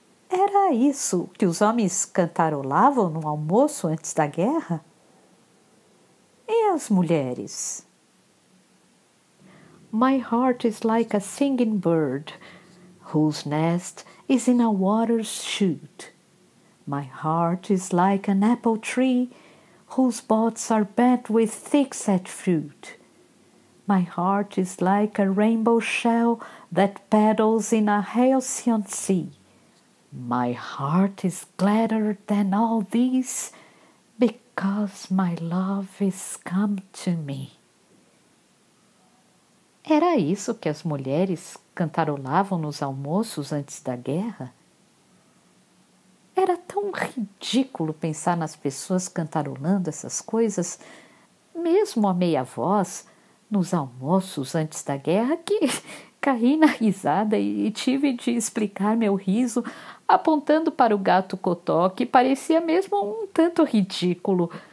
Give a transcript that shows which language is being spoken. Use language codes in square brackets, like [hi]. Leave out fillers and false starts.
[pt] Era isso que os homens cantarolavam no almoço antes da guerra? E as mulheres? [en] My heart is like a singing bird whose nest is in a water's shoot. My heart is like an apple tree whose buds are bent with thick-set fruit. My heart is like a rainbow shell that paddles in a halcyon sea. My heart is gladder than all these, because my love is come to me. [pt] Era isso que as mulheres cantarolavam nos almoços antes da guerra? Era tão ridículo pensar nas pessoas cantarolando essas coisas, mesmo a meia voz, nos almoços antes da guerra, que caí na risada e tive de explicar meu riso apontando para o gato Cotó, que parecia mesmo um tanto ridículo.